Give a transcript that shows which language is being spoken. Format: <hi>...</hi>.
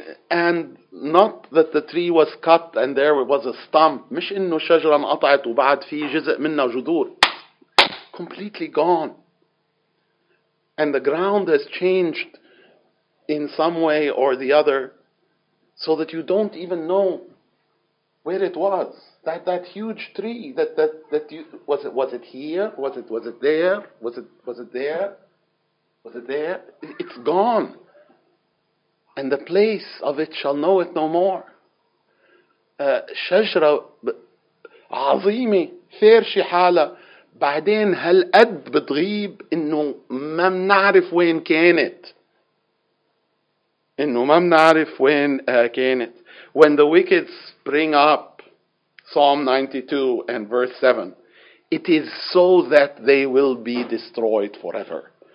<en>And not that the tree was cut and there was a stump.</en> <ar>مش إنه شجرة انقطعت وبعد في جزء منها جذور.</ar> <en>Completely gone. And the ground has changed in some way or the other so that you don't even know where it was. That huge tree that you was it here? Was it there? It's gone. And the place of it shall know it no more.</en> <ar>شجرة عظيمة فارشة حالة بعدين هالقد بتغيب إنه ما منعرف وين كانت. إنه ما منعرف وين كانت.</ar> <en>When the wicked spring up, Psalm 92 and verse 7, it is so that they will be destroyed forever.</en>